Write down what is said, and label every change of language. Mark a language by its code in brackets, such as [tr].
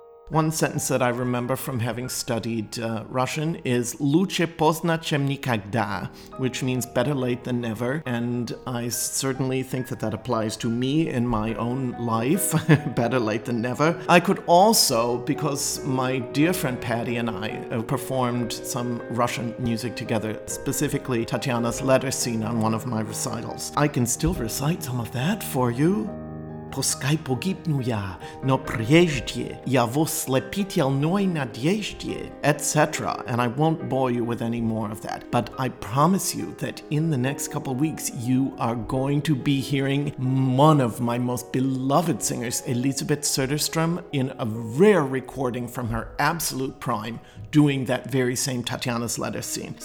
[en] One sentence that I remember from having studied Russian is [ru] «Лучше поздно, чем никогда», [en] which means better late than never, and I certainly think that that applies to me in my own life, better late than never. I could also, because my dear friend Patty and I performed some Russian music together, specifically Tatiana's letter scene on one of my recitals, I can still recite some of that for you. [ru] Пускай погибну я, но прежде я вослепительной надежде, etc. [en] And I won't bore you with any more of that. But I promise you that in the next couple weeks, you are going to be hearing one of my most beloved singers, Elisabeth Söderström, in a rare recording from her absolute prime, doing that very same Tatiana's letter scene.